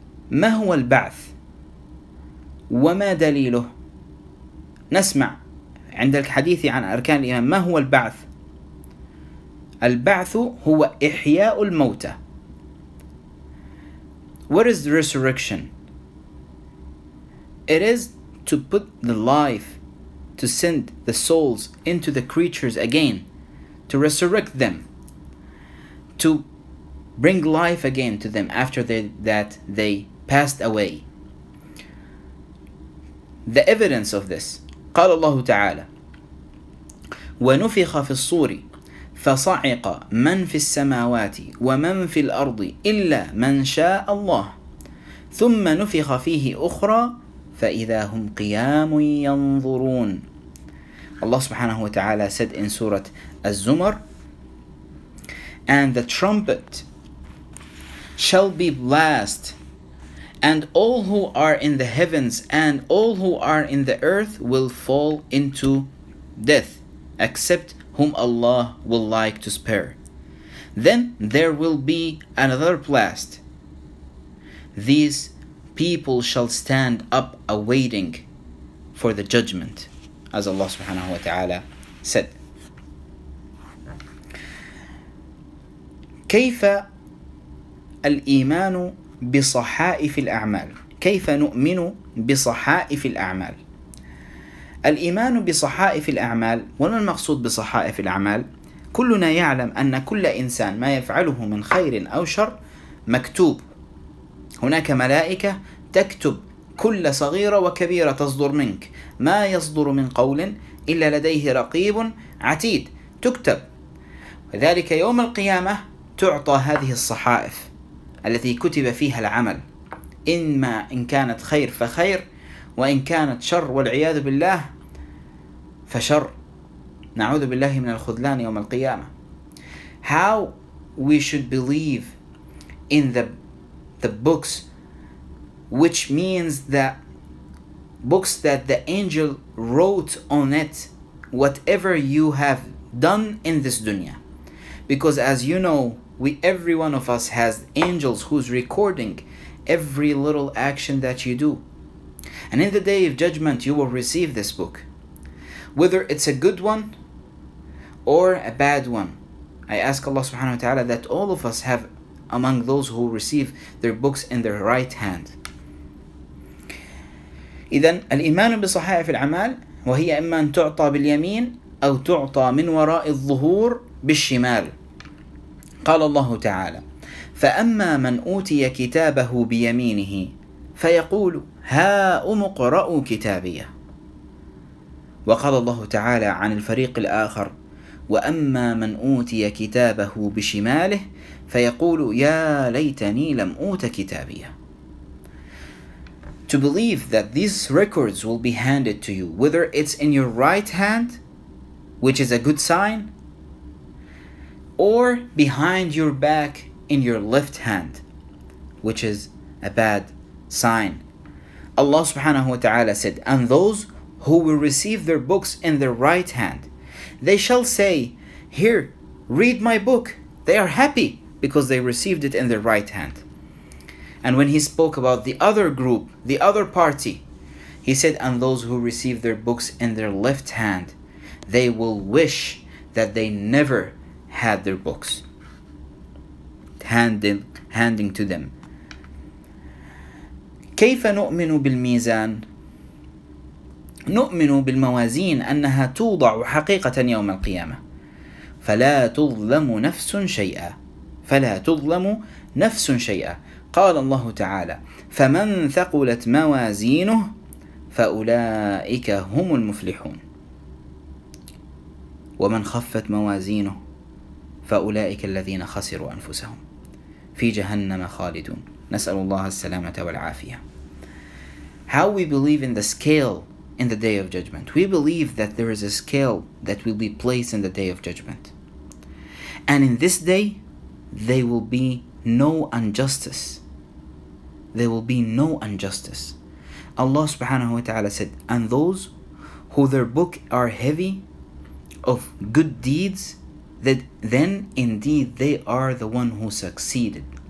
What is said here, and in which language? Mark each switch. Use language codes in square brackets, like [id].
[ar] ما هو البعث؟ وما دليله؟ نسمع عند الحديث عن أركان الإيمان، ما هو البعث؟ البعث هو إحياء الموتى. [en] What is the resurrection? It is to put the life, to send the souls into the creatures again, to resurrect them, to bring life again to them after that they passed away. The evidence of this, [ar] قال الله تعالى ونفخ في الصور فصعق من في السماوات ومن في الأرض إلا من شاء الله ثم نفخ فيه أخرى فإذا هم قيام ينظرون. [en] Allah subhanahu wa ta'ala said in Surah Az-Zumar, and the trumpet shall be blast, and all who are in the heavens and all who are in the earth will fall into death. except whom Allah will like to spare. Then there will be another blast. These people shall stand up awaiting for the judgment, as Allah subhanahu wa ta'ala said. [ar] كيف الإيمان بصحائف الأعمال؟ كيف نؤمن بصحائف الأعمال؟ الإيمان بصحائف الأعمال، وما المقصود بصحائف الأعمال؟ كلنا يعلم أن كل إنسان ما يفعله من خير أو شر مكتوب. هناك ملائكة تكتب كل صغيرة وكبيرة تصدر منك، ما يصدر من قول إلا لديه رقيب عتيد تكتب. وذلك يوم القيامة تعطى هذه الصحائف التي كتب فيها العمل، إما إن كانت خير فخير، وإن كانت شر والعياذ بالله فشر، نعوذ بالله من الخذلان يوم القيامة. [en] How we should believe in the books, which means the books that the angel wrote on it, whatever you have done in this dunya. Because as you know, every one of us has angels who's recording every little action that you do. And in the day of judgment, you will receive this book. Whether it's a good one or a bad one, I ask Allah subhanahu wa ta'ala that all of us have among those who receive their books in their right hand. [ar] إذن الإيمان بصحائف الأعمال وهي إما أن تعطى باليمين أو تعطى من وراء الظهور بالشمال. قال الله تعالى فأما من أوتي كتابه بيمينه فيقول هاؤم اقرءوا كتابية. وقال الله تعالى عن الفريق الآخر وأما من أوتي كتابه بشماله فيقول يا ليتني لم أوت كتابية. [en] To believe that these records will be handed to you, whether it's in your right hand, which is a good sign, or behind your back in your left hand, which is a bad sign. Allah subhanahu wa ta'ala said, and those who will receive their books in their right hand, they shall say, here, read my book. They are happy because they received it in their right hand. And when he spoke about the other group, the other party, he said, and those who receive their books in their left hand, they will wish that they never had their books handing to them. [ar] كيف نؤمن بالميزان؟ نؤمن بالموازين أنها توضع حقيقة يوم القيامة. فلا تظلم نفس شيئا. فلا تظلم نفس شيئا. قال الله تعالى فمن ثقلت موازينه فأولئك هم المفلحون ومن خفت موازينه فأولئك الذين خسروا أنفسهم في جهنم خالدون. نسأل الله السلامة والعافية. [en] How we believe in the scale in the day of judgment. We believe that there is a scale that will be placed in the day of judgment. And in this day, there will be no injustice. There will be no injustice. Allah subhanahu wa ta'ala said, and those who their book are heavy of good deeds, that then indeed they are the one who succeeded.